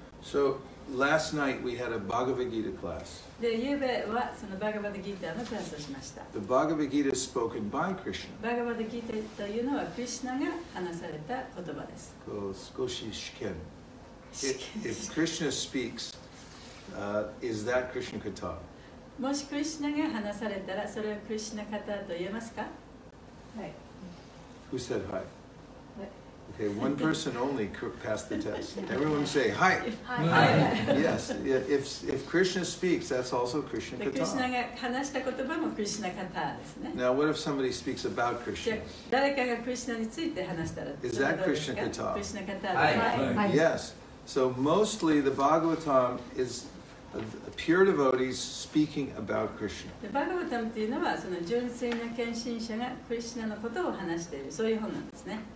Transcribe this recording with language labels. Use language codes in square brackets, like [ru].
[en] So last night we had a Bhagavad Gita class. [ja] で、ゆうべはそのバガヴァッド・ギーターのクラスをしました。 [en] The Bhagavad Gita is spoken by Krishna. [ja] バガヴァッド・ギーターというのはクリシナが話された言葉です。こう少し試験。 [en] If Krishna speaks, is that Krishna Kata? [ja] もしクリシナが話されたら、それはクリシナ・カタと言えますか？はい。 [en] Who said hi? Okay, one person only passed the test. Everyone say hi. Hi. Hi. Yes, if Krishna speaks, that's also Krishna Kata. [ja] Krishna が話した言葉も Krishna Kata ですね。 [en] Now, what if somebody speaks about Krishna? [ja] 誰かが Krishna について話したら、 [en] is that Krishna Kata? Krishna Kata. Hi. Yes. So mostly the Bhagavatam is pure devotees speaking about Krishna. [ja] The Bhagavatam というのはその純粋な献身者が Krishna のことを話しているそういう本なんですね。